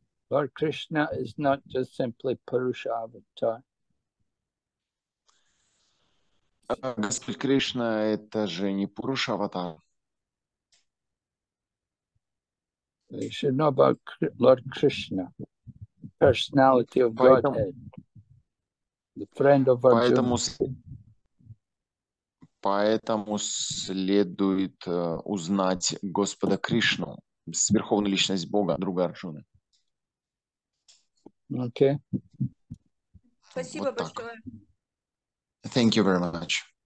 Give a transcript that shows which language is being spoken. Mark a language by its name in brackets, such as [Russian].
[English] Lord Krishna is not just simply Purusha Avatar. [Russian] Господь Кришна – это же не Пурушаватар. [English] You should know about Lord Krishna, personality of Godhead, the friend of Arjuna. [Russian] Поэтому следует узнать Господа Кришну, сверховную личность Бога, друга Арджуны. [English] Okay. [Russian] Спасибо вот большое. Так. [English] Thank you very much.